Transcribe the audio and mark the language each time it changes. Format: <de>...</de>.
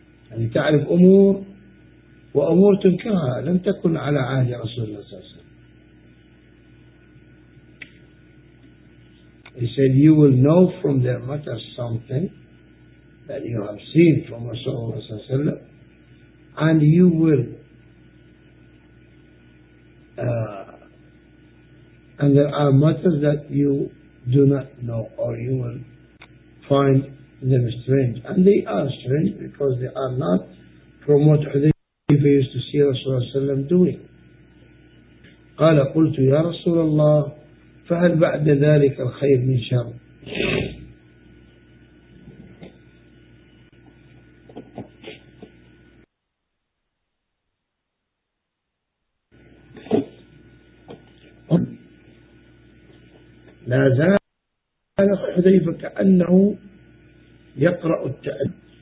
<ar>يعني تعرف أمور وأمور تنكرها لم تكن على عهد رسول الله صلى الله عليه وسلم.</ar> <en>He said, you will know from their matters something that you have seen from Rasulullah sallallahu alayhi wa sallam, and you will and there are matters that you do not know, or you will find them strange, and they are strange because they are not from what Hudhayfa used to see Rasulullah sallam doing.</en> <ar>قال قلت يا رسول الله فهل بعد ذلك الخير من شر؟ لا زال حذيفة كأنه يقرأ التأديب.</ar>